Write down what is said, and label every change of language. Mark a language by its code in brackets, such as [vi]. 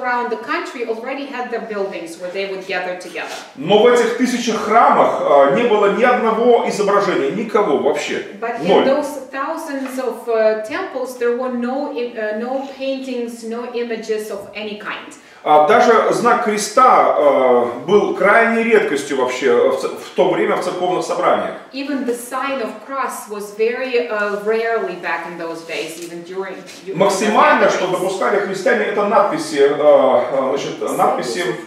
[en] The country already had their buildings where they would gather together. [ru] Но в этих тысячах храмах не было ни одного изображения, никого вообще. [en] But in those thousands of temples there were no paintings, no images of any kind. [ru] Даже знак креста был крайней редкостью вообще в то время в церковных собраниях. [en] Even the sign of cross was very rarely back in those days, even during. [ru] Максимально, что допускали христиане, это надписи, значит, надписи.